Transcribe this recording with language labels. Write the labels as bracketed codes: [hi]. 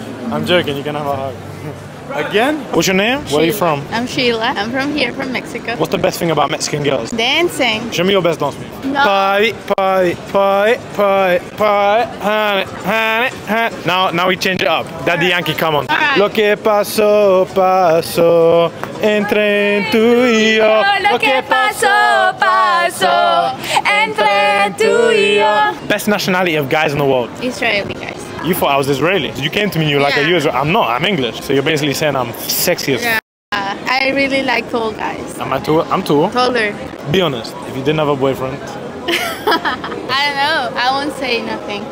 [en] I'm joking, you can have a hug. Again? What's your name? Where are you from? I'm Sheila. I'm from here, from Mexico. What's the best thing about Mexican girls? Dancing. Show me your best dance move. No. Party, party, party, party, party, honey, honey, honey. Now we change it up. Daddy Yankee, come on. Right. [es] Lo que pasó, pasó, entre tú y yo. Lo que pasó, pasó, entre tú y yo. [en] Best nationality of guys in the world? Israeli guys. You thought I was Israeli. You came to me and you were like, are you Israeli? I'm not, I'm English. So you're basically saying I'm sexy as fuck. I really like tall guys. Am I tall? I'm tall. Taller. Be honest, if you didn't have a boyfriend. I don't know. I won't say nothing.